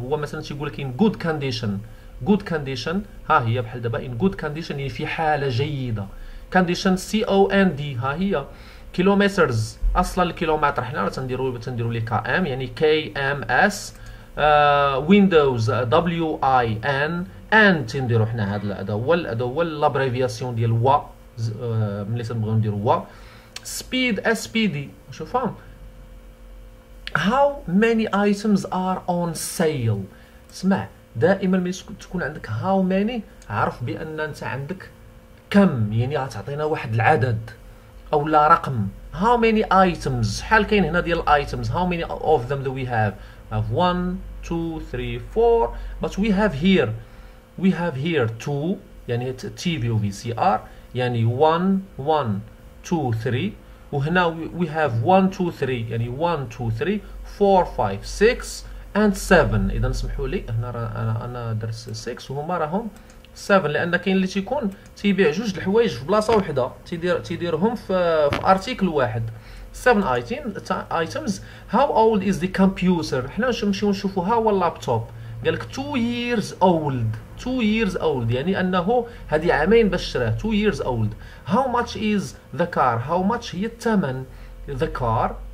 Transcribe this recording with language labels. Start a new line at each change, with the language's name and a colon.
Arabic: هو مثلا تيقول لك
English: ان good condition,
Arabic: جود كونديشن، ها هي بحال دابا ان جود كونديشن، يعني في حاله جيده، كونديشن، سي او ان دي، ها هي كيلومترز، اصلا الكيلومتر حنا تنديرو ليه كي ام، يعني كي ام اس، ويندوز، دبليو اي ان، ان تنديرو حنا هذا الاول، هذا هو لابريفياسيون ديال وا، ملي تنبغيو نديرو وا، سبيد، اس بي دي، شوف فاهم.
English: How many items are on sale؟
Arabic: اسمع دائما ملي تكون عندك how many، عرف بان انت عندك كم، يعني غتعطينا واحد العدد او لا رقم.
English: How many items؟
Arabic: شحال كاين هنا ديال items؟
English: How many of them do we have؟ I have 1 2 3 4 but we have here 2،
Arabic: يعني تي في و في سي ار، يعني 1 1 2 3، وهنا
English: we have 1 2 3،
Arabic: يعني 1 2 3 4 5 6 and 7. اذا سمحوا لي هنا انا درت 6 وهما راهم 7، لان كاين اللي تيكون تيبيع جوج الحوايج في بلاصه وحده، تيديرهم في ارتيكل واحد.
English: 7 items. How old is the computer؟
Arabic: حنا نمشيو نشوفوا. ها هو اللابتوب، قال لك
English: 2 years old.
Arabic: 2 years old يعني انه هذه عامين باش شراه.
English: 2 years old. How much is the car؟ How much
Arabic: هي الثمن؟
English: The car.